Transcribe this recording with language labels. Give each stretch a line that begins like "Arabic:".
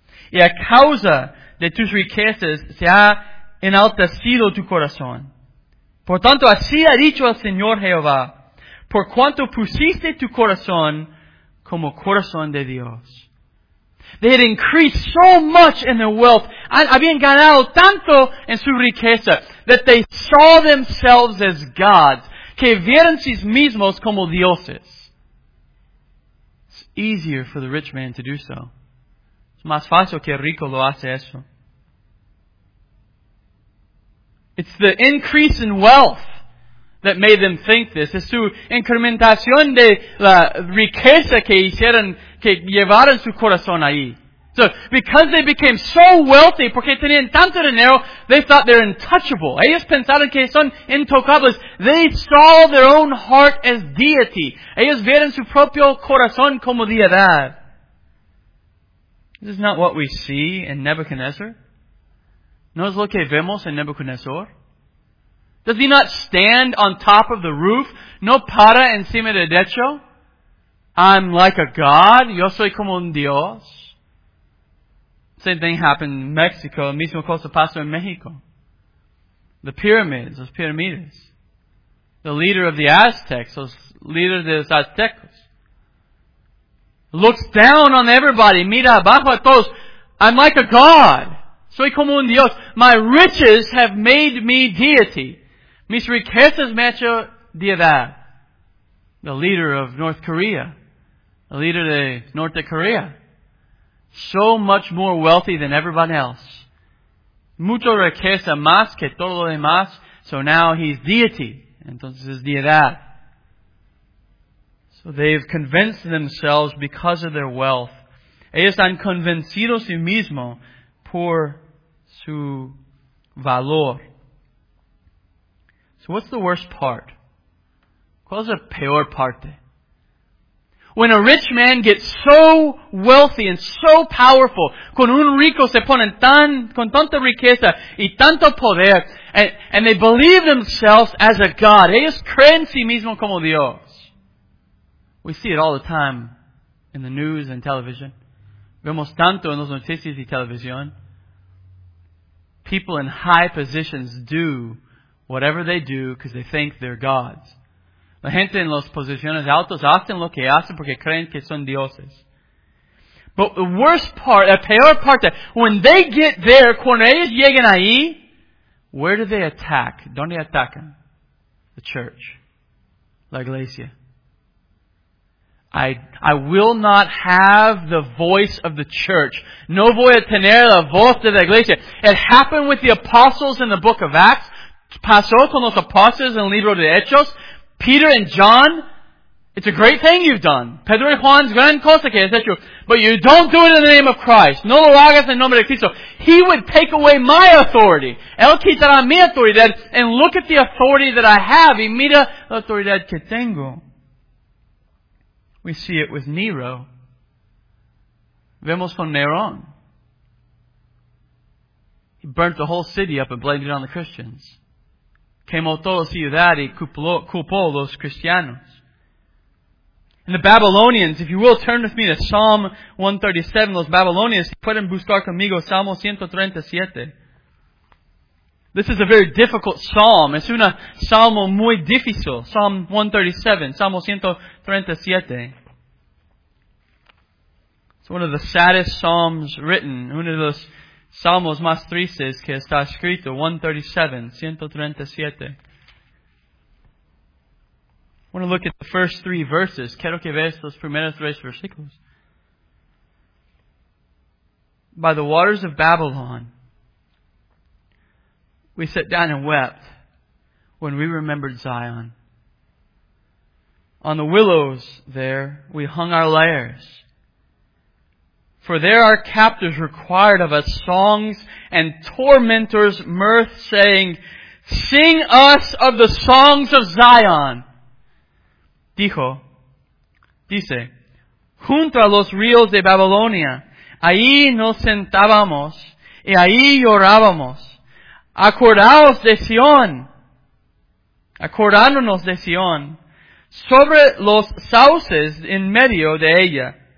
Spanish: Y a causa de tus riquezas se ha enaltecido tu corazón. Por tanto, así ha dicho el Señor Jehová, por cuanto pusiste tu corazón como corazón de Dios.
English: They had increased so much in their wealth.
Spanish: Habían ganado tanto en su riqueza
English: that they saw themselves as gods.
Spanish: Que vieron sí mismos como dioses.
English: It's easier for the rich man to do so.
Spanish: Es más fácil que el rico lo hace eso.
English: It's the increase in wealth that made them think this.
Spanish: Es su incrementación de la riqueza que hicieron, que llevaron su corazón ahí.
English: So, because they became so wealthy,
Spanish: porque tenían tanto dinero,
English: they thought they're untouchable.
Spanish: Ellos pensaron que son intocables.
English: They saw their own heart as deity.
Spanish: Ellos vieron su propio corazón como deidad.
English: This is not what we see in Nebuchadnezzar.
Spanish: No es lo que vemos en Nebuchadnezzar.
English: Does he not stand on top of the roof?
Spanish: No para encima del techo.
English: I'm like a god.
Spanish: Yo soy como un dios.
English: Same thing happened in Mexico.
Spanish: Mismo cosa pasó en México.
English: The pyramids,
Spanish: los pirámides.
English: The leader of the Aztecs,
Spanish: los líderes de los aztecos.
English: Looks down on everybody.
Spanish: Mira abajo a todos.
English: I'm like a god.
Spanish: Soy como un dios.
English: My riches have made me deity.
Spanish: Mis riquezas me hecho deidad.
English: The leader of North Korea. The leader of North Korea. So much more wealthy than everyone else.
Spanish: Mucho riqueza más que todo lo demás.
English: So now he's deity.
Spanish: Entonces es deidad.
English: So they've convinced themselves because of their wealth.
Spanish: Ellos han convencido sí mismo por su valor.
English: So what's the worst part?
Spanish: ¿Cuál es la peor parte?
English: When a rich man gets so wealthy and so powerful,
Spanish: con un rico se ponen tan, con tanta riqueza y tanto poder,
English: and they believe themselves as a god.
Spanish: Ellos creen sí mismo como Dios.
English: We see it all the time in the news and television.
Spanish: Vemos tanto en las noticias y televisión.
English: People in high positions do whatever they do, because they think they're gods.
Spanish: La gente en las posiciones altas hacen lo que hacen porque creen que son dioses.
English: But the worst part, the peor part, that when they get there,
Spanish: cuando ellos llegan ahí,
English: where do they attack?
Spanish: ¿Dónde atacan?
English: The church.
Spanish: La iglesia.
English: I will not have the voice of the church.
Spanish: No voy a tener la voz de la iglesia.
English: It happened with the apostles in the book of Acts.
Spanish: Pasó con los apóstoles en el libro de Hechos.
English: Peter and John, it's a great thing you've done.
Spanish: Pedro y Juan's gran cosa que has hecho.
English: But you don't do it in the name of Christ.
Spanish: No lo hagas en nombre de Cristo.
English: He would take away my authority.
Spanish: Él quitará mi autoridad.
English: And look at the authority that I have.
Spanish: Y mira la autoridad que tengo.
English: We see it with Nero.
Spanish: Vemos con Nerón.
English: He burnt the whole city up and blamed it on the Christians.
Spanish: Quemó toda la ciudad y culpó los cristianos.
English: And the Babylonians, if you will, turn with me to Psalm 137.
Spanish: Los Babylonians, pueden buscar conmigo Salmo 137.
English: This is a very difficult psalm.
Spanish: Es una salmo muy difícil.
English: Psalm 137, Salmo 137. It's one of the saddest psalms written.
Spanish: Uno de los salmos más tristes que está escrito.
English: 137, 137. I want to look at the first three verses.
Spanish: Quiero que veas los primeros tres versículos.
English: By the waters of Babylon, we sat down and wept when we remembered Zion. On the willows there, we hung our lyres. For there our captors required of us songs and tormentors mirth, saying, sing us of the songs of Zion.
Spanish: Dice, junto a los ríos de Babilonia, ahí nos sentábamos y ahí llorábamos. Acordaos de Sion, acordándonos de Sion, sobre los sauces en medio de ella.